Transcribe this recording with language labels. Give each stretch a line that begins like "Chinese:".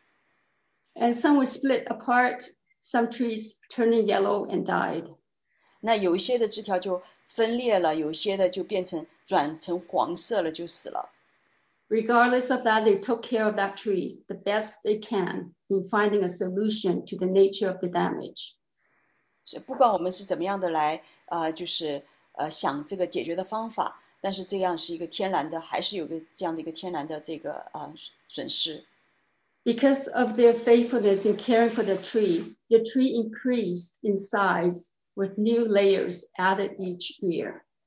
English: And some were split apart, some trees turning yellow and died.
Chinese: 那有一些的枝条就分裂了，有一些的就变成转成黄色了，就死了。
English: Regardless of that, they took care of that tree the best they can in finding a solution to the nature of the damage.
Chinese: 不管我们是怎么样的来想这个解决的方法，但是这样是一个天然的，还是有个这样的一个天然的损失。
English: Because of their faithfulness in caring for the tree increased in size with new layers added each year.